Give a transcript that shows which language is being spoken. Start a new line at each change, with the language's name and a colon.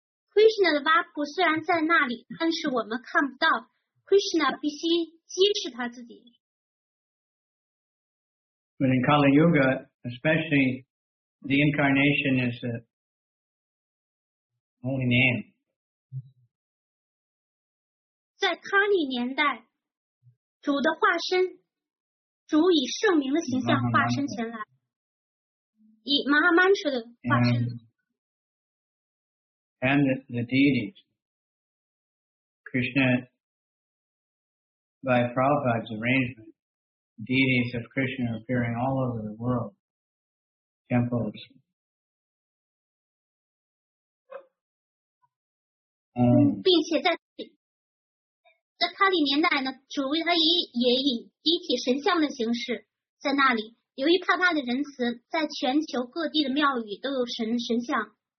Chinese: Krishna 的 Vapu 虽然在那里，但是我们看不到。 Krishna 必须揭示他自己。
English: But in Kali Yuga, especially, the incarnation is a holy name.
Chinese: 在卡利年代，主的化身，主以圣名的形象化身前来。以 Mahamantra 的化身
English: and the deities Krishna by Prabhupada's arrangement, deities of Krishna appearing all over the world, temples. And
Chinese: 并且在卡利年代呢，主他也以一体神像的形式在那里。由于帕帕的仁慈，在全球各地的庙宇都有神像。